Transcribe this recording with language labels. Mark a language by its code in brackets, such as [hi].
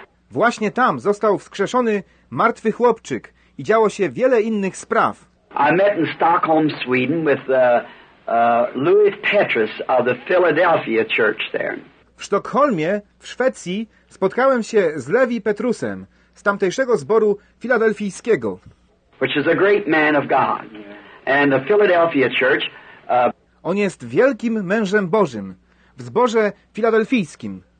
[pl] Właśnie tam został wskrzeszony martwy chłopczyk i działo się wiele innych spraw. [en] I met in Stockholm, Sweden with Louis Petrus of the Philadelphia church there. [pl] W Sztokholmie, w Szwecji, spotkałem się z Levi Petrusem z tamtejszego zboru filadelfijskiego. [en] Which is a great man of God. And the Philadelphia church, [pl] on jest wielkim mężem Bożym w zborze filadelfijskim.